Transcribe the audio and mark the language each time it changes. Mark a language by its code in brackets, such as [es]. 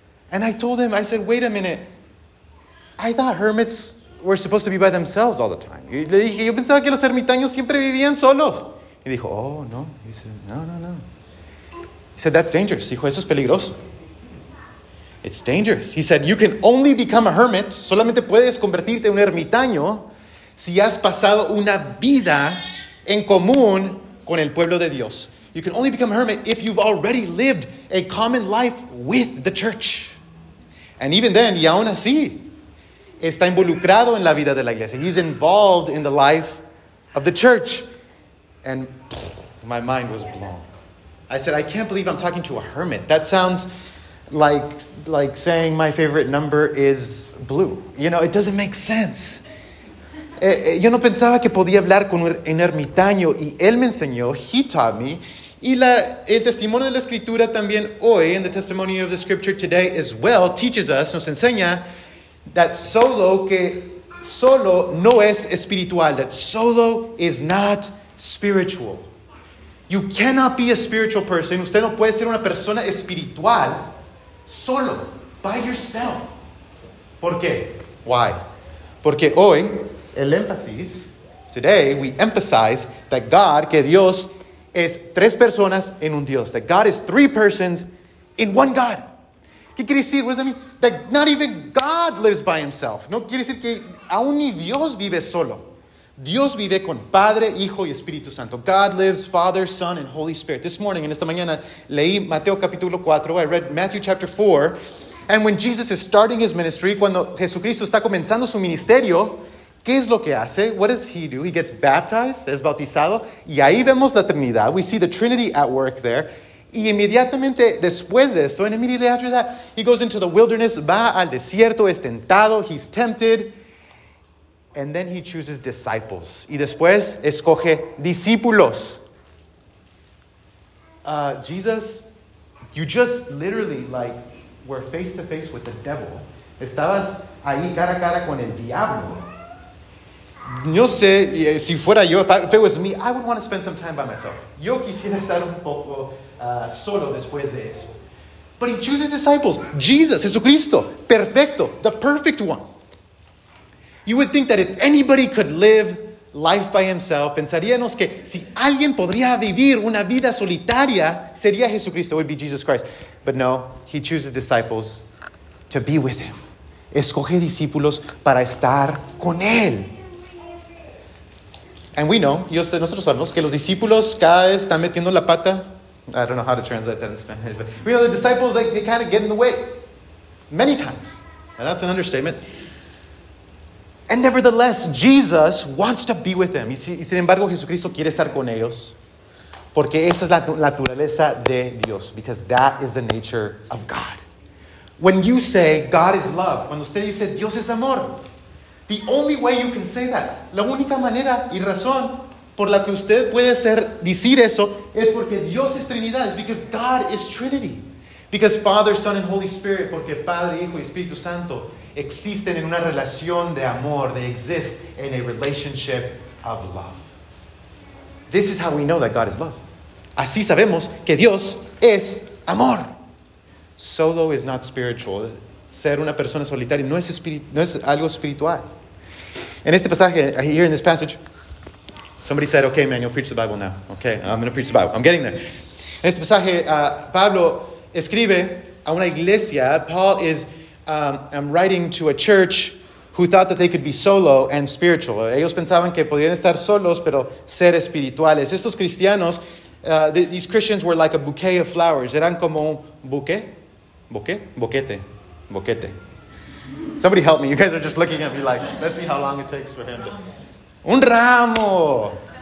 [en] And I told him, I said, wait a minute. I thought hermits were supposed to be by themselves all the time. [es] Le dije, yo pensaba que los ermitaños siempre vivían solos. Y dijo, oh, no. [en] He said, no. He said, that's dangerous. [es] Dijo, eso es peligroso. [en] It's dangerous. He said, you can only become a hermit. [es] Solamente puedes convertirte en un ermitaño si has pasado una vida en común con el pueblo de Dios. [en] You can only become a hermit if you've already lived a common life with the church. And even then, [es] y aún así, está involucrado en la vida de la iglesia. [en] He's involved in the life of the church. And my mind was blown. I said, I can't believe I'm talking to a hermit. That sounds like saying my favorite number is blue. You know, it doesn't make sense. [es] Yo no pensaba que podía hablar con un ermitaño. Y él me enseñó, [en] he taught me. [es] Y el testimonio de la escritura también hoy, [en] and the testimony of the scripture today as well, teaches us, [es] nos enseña, [en] that solo, [es] que solo no es espiritual. [en] That solo is not spiritual. You cannot be a spiritual person. [es] Usted no puede ser una persona espiritual solo, [en] by yourself. [es] ¿Por qué? [en] Why? [es] Porque hoy, el énfasis, [en] today, we emphasize that God, [es] que Dios, es tres personas en un Dios. [en] That God is three persons in one God. [es] ¿Qué quiere decir? [en] What does that mean? That not even God lives by himself. [es] No quiere decir que aún ni Dios vive solo. Dios vive con Padre, Hijo y Espíritu Santo. [en] God lives Father, Son, and Holy Spirit. This morning, [es] en esta mañana, leí Mateo capítulo 4. [en] I read Matthew chapter 4. And when Jesus is starting his ministry, [es] cuando Jesucristo está comenzando su ministerio, ¿qué es lo que hace? [en] What does he do? He gets baptized, [es] es bautizado. Y ahí vemos la Trinidad. [en] We see the Trinity at work there. [es] Y inmediatamente después de esto, [en] and immediately after that, he goes into the wilderness, [es] va al desierto, es tentado, [en] he's tempted. And then he chooses disciples. [es] Y después escoge discípulos. [en] Jesus, you just literally like were face to face with the devil. [es] Estabas ahí cara a cara con el diablo. No sé, si fuera yo, [en] if it was me, I would want to spend some time by myself. [es] Yo quisiera estar un poco solo después de eso. [en] But he chooses disciples. Jesus, [es] Jesucristo, perfecto, [en] the perfect one. You would think that if anybody could live life by himself, [es] pensaríamos que si alguien podría vivir una vida solitaria, sería Jesucristo, [en] it would be Jesus Christ. But no, he chooses disciples to be with him. [es] Escoge discípulos para estar con él. [en] And we know, [es] yo sé, nosotros sabemos que los discípulos cada vez están metiendo la pata. [en] I don't know how to translate that in Spanish, but we know the disciples, like, they kind of get in the way many times. And that's an understatement. And nevertheless, Jesus wants to be with them. [es] Y sin embargo, Jesucristo quiere estar con ellos porque esa es la naturaleza de Dios. [en] Because that is the nature of God. When you say God is love, [es] cuando usted dice Dios es amor, [en] the only way you can say that, [es] la única manera y razón por la que usted puede ser decir eso es porque Dios es Trinidad. [en] It's because God is Trinity. Because Father, Son, and Holy Spirit, [es] porque Padre, Hijo y Espíritu Santo existen en una relación de amor. [en] They exist in a relationship of love. This is how we know that God is love. [es] Así sabemos que Dios es amor. [en] Solo is not spiritual. [es] Ser una persona solitaria no es algo espiritual. En este pasaje, [en] here in this passage, somebody said, okay, man, you'll preach the Bible now. Okay, I'm going to preach the Bible. I'm getting there. [es] En este pasaje, Pablo escribe a una iglesia. [en] Paul is writing to a church who thought that they could be solo and spiritual. [es] Ellos pensaban que podrían estar solos, pero ser espirituales. Estos cristianos, [en] these Christians were like a bouquet of flowers. [es] Eran como un buque. ¿Boque? Boquete. Boquete. [en] Somebody help me. You guys are just looking at me like, let's see how long it takes for him. [es] Un ramo.